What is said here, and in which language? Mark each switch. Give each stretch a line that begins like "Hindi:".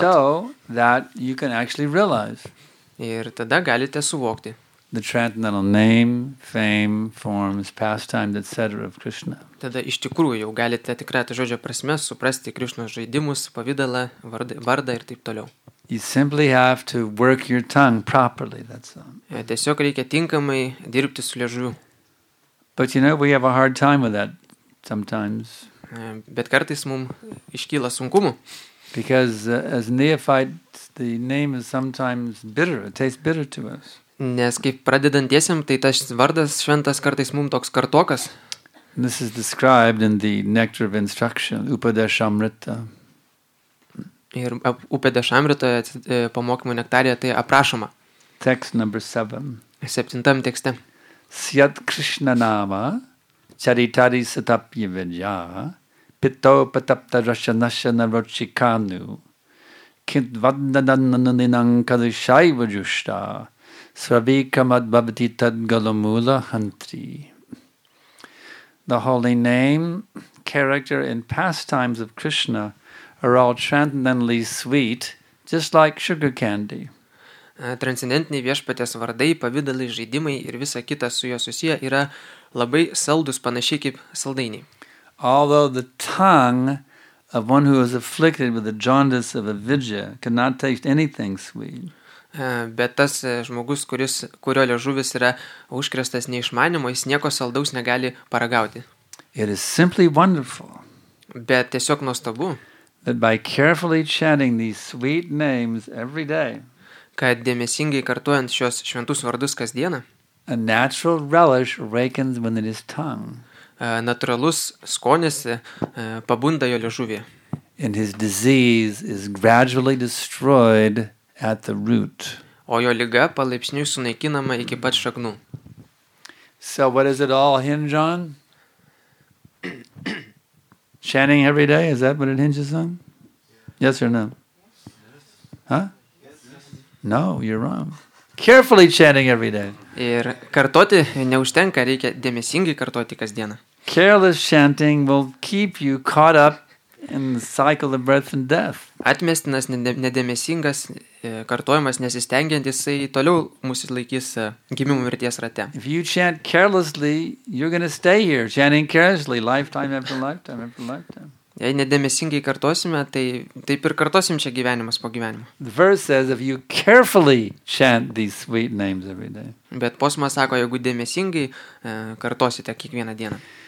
English: So that you can actually realize.
Lithuanian: Ir tada galite suvokti.
English: The transcendental name, fame, forms, pastimes, etc. of Krishna.
Lithuanian: Tada iš tikrųjų jau galite tikrai tą žodžio prasme suprasti Krishnos žaidimus, pavidalą, vardą ir taip toliau.
English: You simply have to work your tongue properly, that's all.
Lithuanian: Tiesiog reikia tinkamai dirbti su liežuviu.
English: But you know, we have a hard time with that sometimes.
Lithuanian: Bet kartais mum iškyla sunkumų.
English: Because as neophytes, the name is sometimes bitter. It tastes bitter to us.
Lithuanian: Nes kaip pradedantiesiam, tai tas vardas šventas kartais mums toks kartokas.
English: This is described in the Nectar of Instruction, Upadeshamrita.
Lithuanian: Ir Upadeshamritoje pamokymo nektarija tai aprašoma.
English: Text number 7.
Lithuanian: Septintam tekste.
Sanskrit: Syat Krishna nama charitari satapya vidya pito patapta rasanasya narochikanu kint vadnananinang kadushai vajushta svavikamad bhavati tad galamula hantri.
English: The holy name, character, and pastimes of Krishna are all transcendentally sweet, just like sugar candy.
Lithuanian: Transcendentiniai viešpatės vardai, pavidalai, žaidimai ir visa kita su juo susiję yra labai saldus, panašiai kaip saldainiai.
English: Although the tongue of one who is afflicted with the jaundice of avidya cannot taste anything sweet.
Lithuanian: Bet tas žmogus, kurio liežuvis yra užkrestas neišmanimo, jis nieko saldaus negali paragauti.
English: It is simply wonderful.
Lithuanian: Bet tiesiog nuostabu.
English: That by carefully chanting these sweet names every day.
Lithuanian: Kad dėmesingai kartuojant šios šventus vardus kasdieną.
English: A natural relish awakens when it is tongue.
Lithuanian: Natūralus skonis pabunda jo liežuvyje.
English: And his disease is gradually destroyed at the root.
Lithuanian: O jo liga palaipsniui sunaikinama iki pat šaknų.
English: So what is it all hinge on? Chanting every day, is that what it hinges on? Yes or no? Huh? No, you're wrong. Carefully chanting every day.
Lithuanian: Ir kartoti neužtenka, reikia dėmesingai kartoti kasdieną.
English: Careless chanting will keep you caught up in the cycle of birth and death.
Lithuanian: Atmestinas nedėmesingas kartojimas nesistengiant, jisai toliau mūsų laikys gimimų mirties rate.
English: If you chant carelessly, you're going to stay here chanting carelessly lifetime after lifetime after lifetime.
Lithuanian: Jei nedėmesingai kartosime, tai taip ir kartosim čia gyvenimas po gyvenimo.
English: The verse says if you carefully chant these sweet names every day.
Lithuanian: Bet posmas sako, jeigu dėmesingai kartosite kiekvieną dieną.